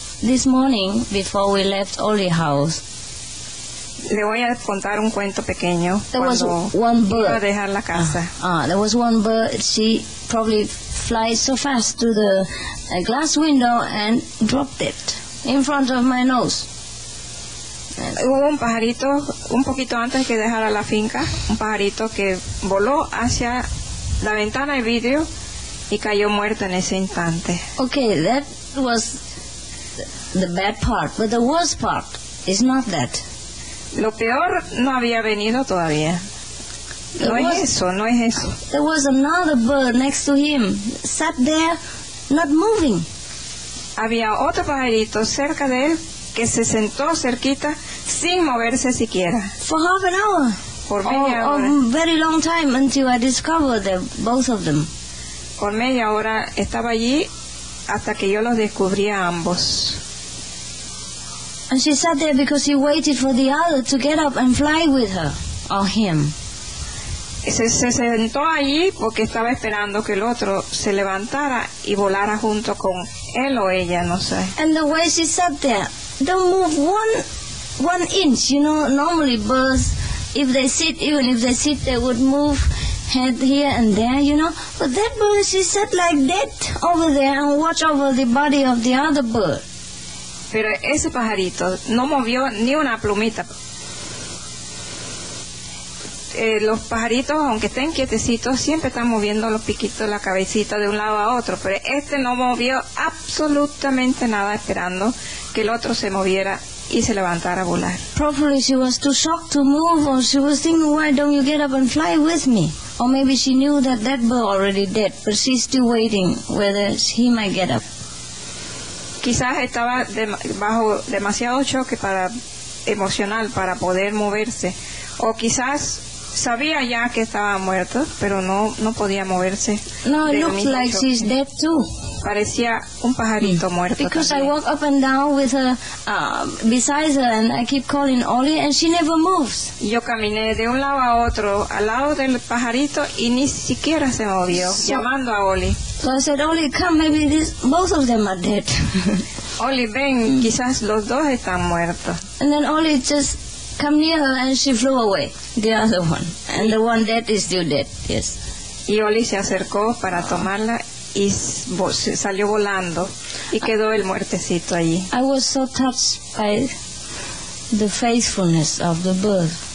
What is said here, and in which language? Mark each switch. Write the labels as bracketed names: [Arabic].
[English] This morning, before we left Oli house, [Spanish] le voy a contar un cuento pequeño. [English] There was one bird. [Spanish] Iba a dejar la casa. [English] There was one bird. She probably flies so fast to the glass window and dropped it in front of my nose. [Spanish] Hubo un pajarito un poquito antes que dejara la finca, un pajarito que voló hacia la ventana de vidrio y cayó muerto en ese instante. [English] Okay, that was the bad part, but the worst part is not that. [Spanish] Lo peor no había venido todavía. No es eso. [English] There was another bird next to him, sat there, not moving. [Spanish] Había otro pajarito cerca de él que se sentó cerquita sin moverse siquiera. [English] For half an hour. [Spanish] Por media hora. [English] Or very long time until I discovered them, both of them. [Spanish] Por media hora estaba allí hasta que yo los descubrí a ambos. [English] And she sat there because she waited for the other to get up and fly with her, or him. [Spanish] Se sentó allí porque estaba esperando que el otro se levantara y volara junto con él o ella, no sé. [English] And the way she sat there, don't move one inch, you know, normally birds, if they sit, even if they sit, they would move head here and there, you know. But that bird, she sat like that over there and watched over the body of the other bird. [Spanish] Pero ese pajarito no movió ni una plumita. Los pajaritos, aunque estén quietecitos, siempre están moviendo los piquitos, la cabecita de un lado a otro. Pero este no movió absolutamente nada esperando que el otro se moviera y se levantara a volar. [English] Probably she was too shocked to move, or she was thinking, why don't you get up and fly with me? Or maybe she knew that that bird already dead, but she's still waiting whether he might get up. [Spanish] Quizás estaba bajo demasiado choque para emocional para poder moverse, o quizás sabía ya que estaba muerto, pero no podía moverse. [English] No, it looks like she's dead too. [Spanish] Parecía un pajarito muerto. [English] Because [Spanish] también. [English] I walk up and down with her, beside her, and I keep calling Ollie, and she never moves. [Spanish] Yo caminé de un lado a otro al lado del pajarito y ni siquiera se movió, llamando a Ollie. [English] So I said, Ollie, come, maybe this, both of them are dead. [Spanish] Ollie, ven, quizás los dos están muertos. [English] And then Ollie just come near her and she flew away, the other one. And the one dead is still dead, yes. [Spanish] Y Ollie se acercó para tomarla y salió volando y quedó el muertecito allí. [English] I was so touched by the faithfulness of the bird.